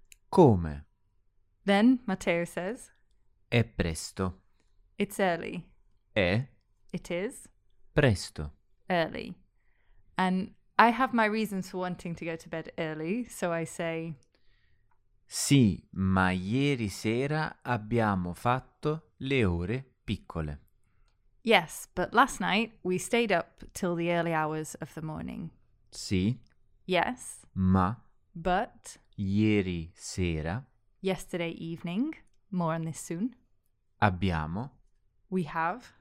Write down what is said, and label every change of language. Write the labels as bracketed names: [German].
[Italian] Come? [English] Then Matteo says, [Italian] è presto. [English] It's early. [Italian] È? [English] It is. [Italian] Presto. [English] Early. And I have my reasons for wanting to go to bed early, so I say, [Italian] sì, ma ieri sera abbiamo fatto le ore piccole. [English] Yes, but last night we stayed up till the early hours of the morning. [Italian] Sì. [English] Yes. [Italian] Ma. [English] But. [Italian] Ieri sera. [English] Yesterday evening. More on this soon. [Italian] Abbiamo. [English] We have.